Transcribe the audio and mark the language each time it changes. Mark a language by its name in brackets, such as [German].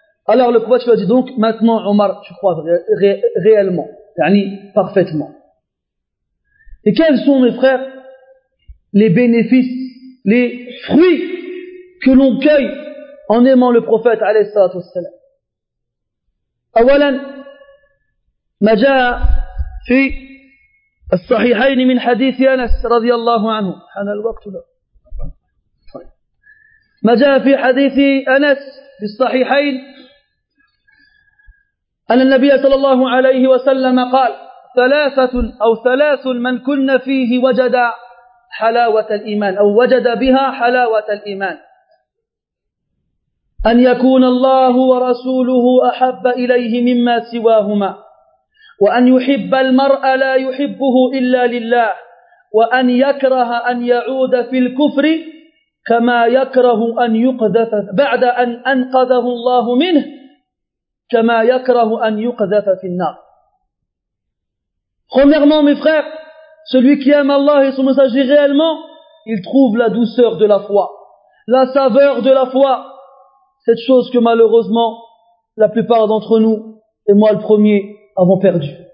[French] Alors le prophète lui a dit: donc maintenant Omar, tu crois réellement, yani parfaitement. Et quels sont, mes frères, les bénéfices, les fruits que l'on cueille en aimant le prophète alayhi salatu wassalam? [Arabic] Awalan, ما جاء في الصحيحين من حديث أنس رضي الله عنه حان الوقت له ما جاء في حديث أنس في الصحيحين أن النبي صلى الله عليه وسلم قال: ثلاثة أو ثلاث من كن فيه وجد حلاوة الإيمان أو وجد بها حلاوة الإيمان: أن يكون الله ورسوله أحب إليه مما سواهما، وأن يحب المرء لا يحبه إلا لله، وأن يكره أن يعود في الكفر كما يكره أن يقذف بعد أن أنقذه الله منه كما يكره أن يقذف في النار. [French] Premièrement, mes frères, celui qui aime Allah et son messager réellement, il trouve la douceur de la foi, la saveur de la foi, cette chose que malheureusement la plupart d'entre nous, et moi le premier, avons perdu.